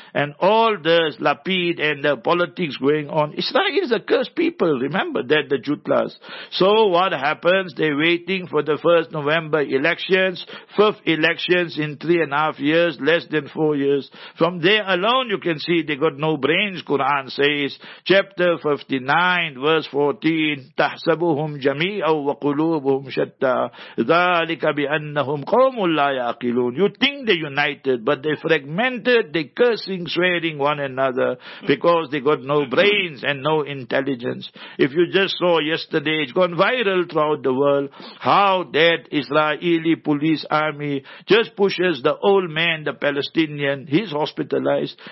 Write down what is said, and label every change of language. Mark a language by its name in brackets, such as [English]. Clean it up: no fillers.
[English] And all this Lapid and the politics going on, Israel is a cursed people, remember that, the Jutlas. So what happens? They're waiting for the 1st November elections, 5th elections in 3.5 years, less than 4 years. From there alone, you can see they got no brains, Quran says. Chapter 59, verse 14. [Arabic] تحسبهم جميعا وقلوبهم شتى ذلك بأنهم قوم لا يعقلون. [English] You think they're united, but they're fragmented, they're cursing, swearing one another, because they got no brains and no intelligence. If you just saw yesterday, it's gone viral throughout the world, how that Israeli police army just pushes the old man, the Palestinian, he's hospitalized.